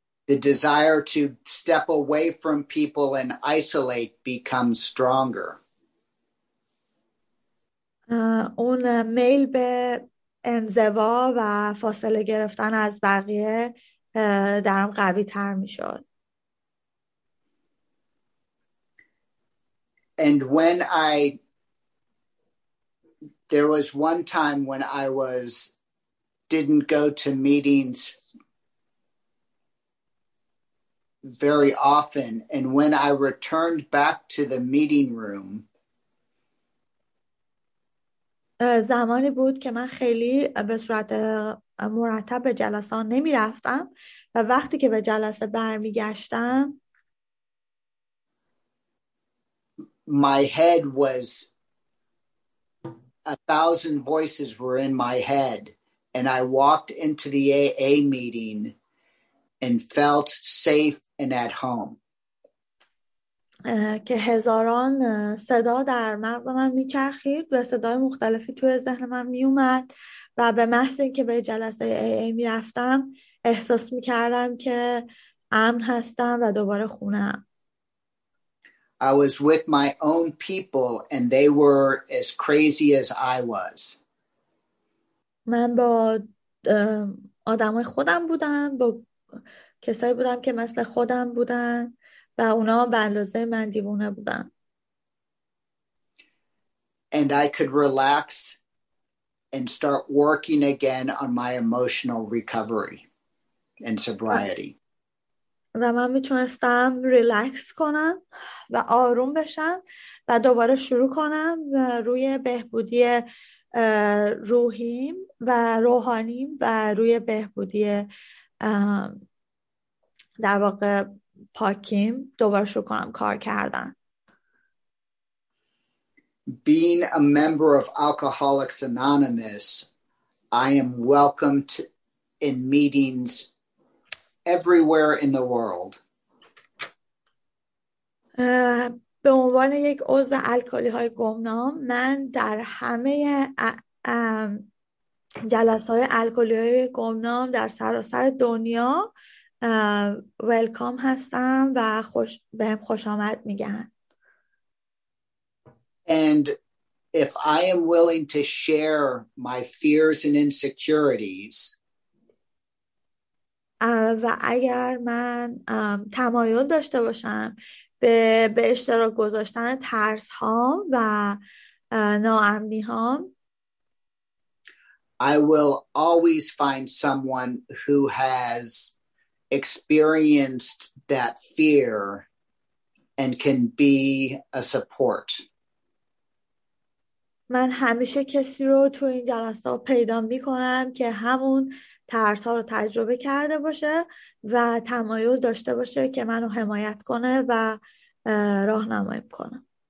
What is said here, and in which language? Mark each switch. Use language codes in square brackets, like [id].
[en] The desire to step away from people and isolate becomes stronger. [fa] اون میل به انزوا و فاصله گرفتن از بقیه درم قوی تر می شد. [en] And when I, there was one time when I was, didn't go to meetings very often, and when I returned back to the meeting room, [fa] زمانی بود که من خیلی به صورت مرتب به جلسه ها نمی رفتم و وقتی که به جلسه برمی گشتم [en] My head was 1,000 voices were in my head and I walked into the AA meeting and felt safe and at home. [fa] که هزاران صدا در مغز من میچرخید و صدای مختلفی توی ذهن من میومد و به محض اینکه به جلسه AA میرفتم احساس میکردم که امن هستم و دوباره خونم. [en] I was with my own people and they were as crazy as I was. [fa] من با آدمای خودم بودم، با کسایی بودم که مثل خودم بودن و اونا به اندازه من دیوونه بودن. [en] And I could relax and start working again on my emotional recovery and sobriety. [fa] و من میتونستم ریلکس کنم و آروم بشم و دوباره شروع کنم روی بهبودی روحیم و روحانیم و روی بهبودی در واقع پاکیم دوباره شروع کنم کار کردن. [en] Being a member of Alcoholics Anonymous, I am welcomed in meetings everywhere in the world. [fa] به عنوان یک عضو الکلی های گمنام، من در همه جلسه های الکلی های گمنام در سراسر دنیا ویلکام هستم و خوش به هم خوش آمد میگن. [en] And if I am willing to share my fears and insecurities, [fa] و اگر من تمایل داشته باشم به اشتراک گذاشتن ترس هام و ناامنی هام، [en] I will always find someone who has experienced that fear and can be a support. [fa] من همیشه کسی رو تو این جلسه پیدا می کنم که همون ترس ها رو تجربه کرده باشه و تمایل داشته باشه که منو حمایت کنه و راهنمایی کنه.